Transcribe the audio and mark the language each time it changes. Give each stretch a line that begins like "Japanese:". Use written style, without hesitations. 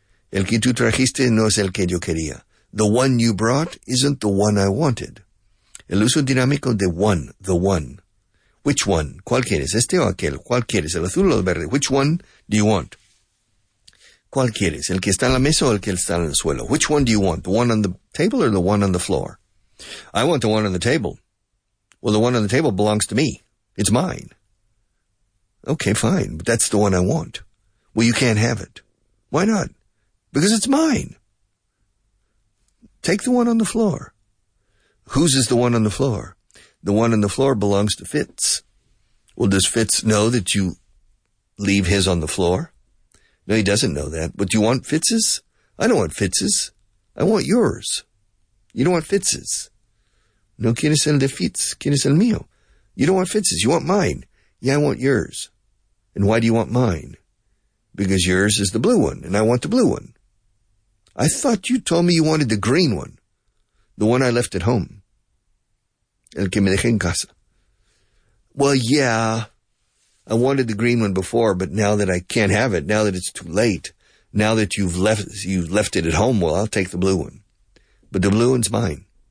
Spanish: El que tú trajiste no es el que yo quería.
English: The one you brought isn't the one I wanted.
Spanish: El uso dinámico de one,
English: the one. Which one?
Spanish: ¿Cuál quieres? ¿Este o aquel? ¿Cuál quieres? ¿El azul o el verde?
English: Which one do you want?
Spanish: ¿Cuál quieres? ¿El que está en la mesa o el que está en el suelo?
English: Which one do you want? ¿The one on the table or the one on the floor? I want the one on the table. Well, the one on the table belongs to me. It's mine. Okay, fine. But that's the one I want. Well, you can't have it. Why not? Because it's mine. Take the one on the floor. Whose is the one on the floor? The one on the floor belongs to Fitz. Well, does Fitz know that you leave his on the floor? No, he doesn't know that. But do you want Fitz's? I don't want Fitz's. I want yours. You don't want Fitz's.
Spanish: No quieres el de Fitz, quieres el mío.
English: You don't want Fitz's, you want mine. Yeah, I want yours. And why do you want mine? Because yours is the blue one, and I want the blue one. I thought you told me you wanted the green one. The one I left at home.
Spanish: El que me dejé en casa.
English: Well, yeah, I wanted the green one before, but now that I can't have it, now that it's too late, now that you've left it at home, well, I'll take the blue one. But the blue one's mine.